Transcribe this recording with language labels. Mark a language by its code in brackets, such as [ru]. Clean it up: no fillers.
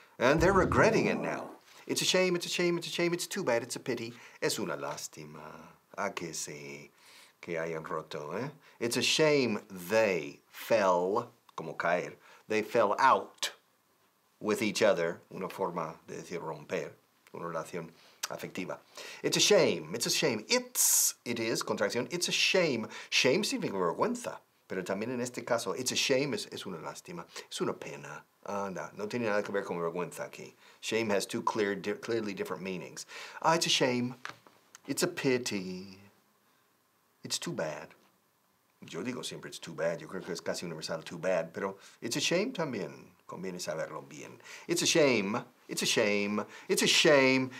[en] And they're regretting it now. It's a shame, it's a shame, it's a shame. It's too bad, it's a pity. [es] Es una lástima. ¿A que sí? Que hayan roto, eh? [en] It's a shame they fell, [es] como caer, [en] they fell out with each other. [es] Una forma de decir romper, una relación afectiva. [en] It's a shame. It's a shame. It is, contracción. It's a shame. [es] Shame significa vergüenza. Pero también en este caso, [en] it's a shame [es] es una lástima. Es una pena. Anda, no tiene nada que ver con vergüenza aquí. [en] Shame has two clearly different meanings. It's a shame. It's a pity. It's too bad. [es] Yo digo siempre it's too bad. Yo creo que es casi universal, too bad. [en] Pero it's a shame también. [es] Conviene saberlo bien. [en] It's a shame. It's a shame. It's a shame.